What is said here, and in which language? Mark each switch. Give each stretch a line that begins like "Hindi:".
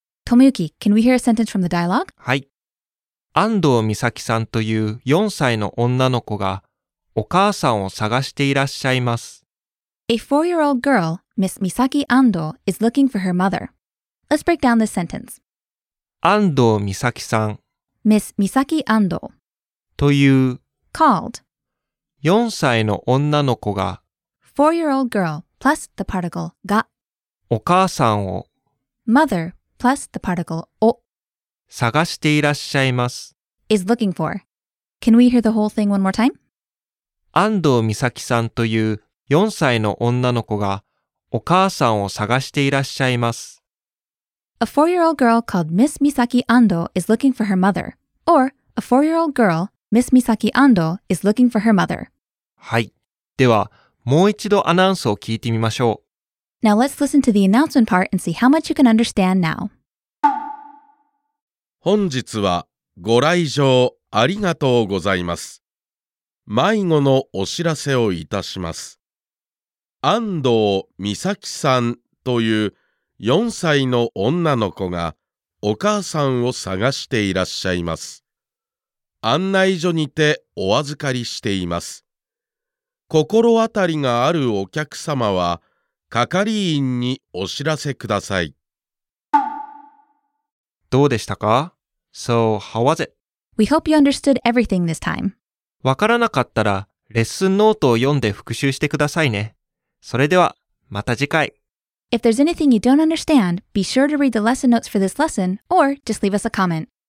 English: Tomoyuki, can we hear a sentence from the dialogue?
Japanese: はい。安藤美咲さんという4歳の女の子がお母さんを探していらっしゃいます。
English: A four-year-old girl, Miss Misaki Ando, is looking for her mother. Let's break down this sentence.
Japanese: 安藤美咲さん
English: Miss Misaki Ando
Japanese: という
English: called
Japanese: 4歳の女の子が
English: four-year-old girl plus the particle が
Japanese: お母さんを
English: mother plus the particle を
Japanese: 探していらっしゃいます
English: is looking for. Can we hear the whole thing one more time?
Japanese: 安藤美咲さんという4歳の女の子がお母さんを探していらっしゃいます。
English: A four-year-old girl called Miss Misaki Ando is looking for her mother. Or, a four-year-old girl, Miss Misaki Ando is looking for her mother.
Japanese: はい。では、もう一度アナウンスを聞いてみましょう。
English: Now let's listen to the announcement part and see how much you can understand now.
Japanese: 本日はご来場ありがとうございます。迷子のお知らせをいたします。安藤美咲さんという4歳の女の子がお母さんを探していらっしゃいます。案内所にてお預かりしています。心当たりがあるお客様は係員にお知らせください。どうでしたか?
English: So, how was it? We hope you understood everything this time.
Japanese: わからなかったらレッスンノートを読んで復習してくださいね。それではまた次回。
English: If there's anything you don't understand, be sure to read the lesson notes for this lesson or just leave us a comment.